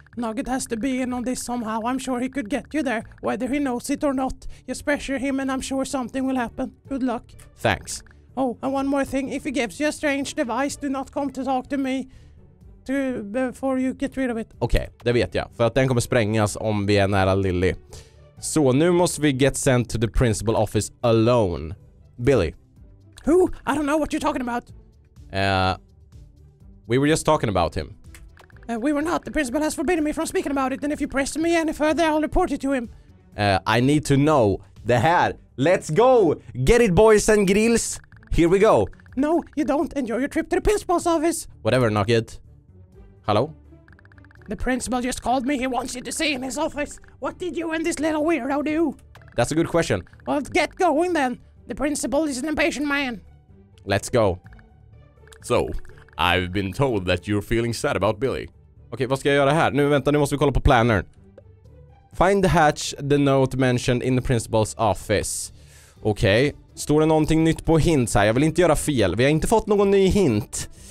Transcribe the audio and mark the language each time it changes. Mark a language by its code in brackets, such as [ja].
[en] Nugget has to be in on this somehow. I'm sure he could get you there, whether he knows it or not. Just pressure him and I'm sure something will happen. Good luck. Thanks. Oh, and one more thing. If he gives you a strange device, do not come to talk to me before you get rid of it. [sv] Okej, det vet jag. För att den kommer sprängas om vi är nära Lily. Så nu måste vi [en] get sent to the principal office alone. Billy. Who? I don't know what you're talking about. We were just talking about him. We were not. The principal has forbidden me from speaking about it. And if you press me any further, I'll report it to him. I need to know the hat. Let's go. Get it, boys and grills. Here we go. No, you don't. Enjoy your trip to the principal's office. Whatever, Nugget. Hello? The principal just called me. He wants you to see in his office. What did you and this little weirdo do? That's a good question. Well, get going then. The principal is an impatient man. Let's go. So, I've been told that you're feeling sad about Billy. [sv] Okej, vad ska jag göra här? Nu, vänta, nu måste vi kolla på planern. [en] Find the hatch, the note mentioned in the principal's office. [sv] Okej. Står det någonting nytt på hint här? Jag vill inte göra fel. Vi har inte fått någon ny hint.